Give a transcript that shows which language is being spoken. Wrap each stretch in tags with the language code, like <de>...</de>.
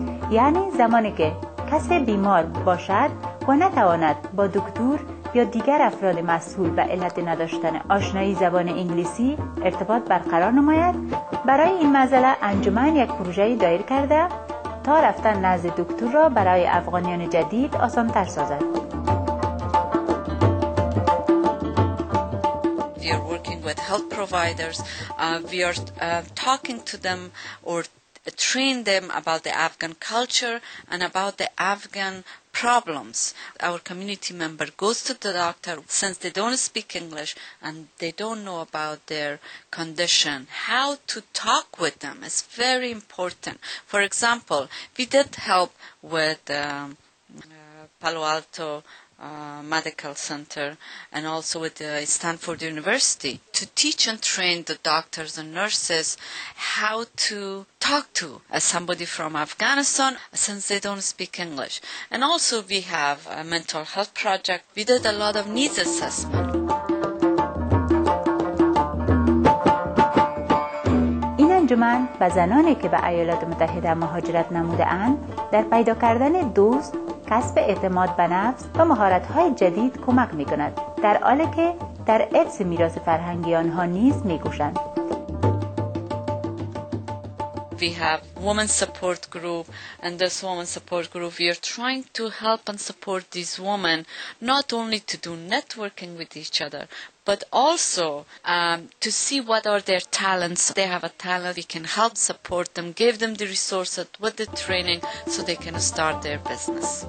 <fa>یعنی زمانی که کسی بیمار باشد و نتواند با دکتر یا دیگر افراد مسئول و علت نداشتن آشنایی زبان انگلیسی ارتباط برقرار نماید، برای این مسئله انجمن یک پروژه‌ای دایر کرده تا رفتن نزد دکتر را برای افغانیان جدید آسان‌تر سازد.</fa> <en>With health providers, we are talking to them or train them about the Afghan culture and about the Afghan problems. Our community member goes to the doctor since they don't speak English and they don't know about their condition. How to talk with them is very important. For example, we did help with Palo Alto Medical Center and also with Stanford University to teach and train the doctors and nurses how to talk to somebody from Afghanistan since they don't speak English. And also we have a mental health project. We did a lot of needs assessment.</en> <fa>انجمن و زنانی که به ایالات متحده مهاجرت نموده‌اند در پیدا کردن دوست، کسب اعتماد به نفس و مهارت‌های جدید کمک می‌کند، در حالی که در حفظ میراث فرهنگی آنها نیز می‌کوشند.</fa> <en>We have women support group, and this women support group, we are trying to help and support these women not only to do networking with each other, but also to see what are their talents. They have a talent, we can help support them, give them the resources with the training so they can start their business.</en>